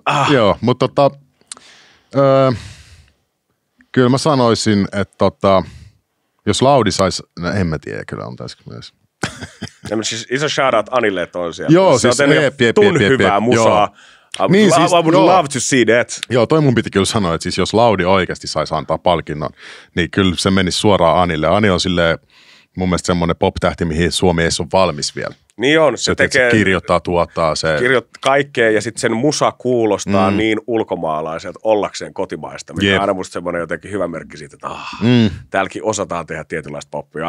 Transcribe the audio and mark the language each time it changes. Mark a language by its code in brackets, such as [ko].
[fi] Joo, mutta kyllä mä sanoisin, että jos Laudi saisi, no en mä tiedä, kyllä on tässä myös. siis iso shoutout Anille, että on siellä. Joo, siis hyvää musaa. [en] Niin, siis, I would love to see that. [fi] Joo, toi mun piti kyllä sanoa, että siis jos Laudi oikeasti saisi antaa palkinnon, niin kyllä se menisi suoraan Anille. Ani on silleen mun mielestä semmoinen pop-tähti, mihin Suomi ei ole valmis vielä. Niin on. Se tekee, se kirjoittaa, tuottaa. Se kirjoittaa kaikkea ja sitten sen musa kuulostaa niin ulkomaalaiselta ollakseen kotimaista, mikä on aina musta semmoinen jotenkin hyvä merkki siitä, että täälläkin osataan tehdä tietynlaista poppia.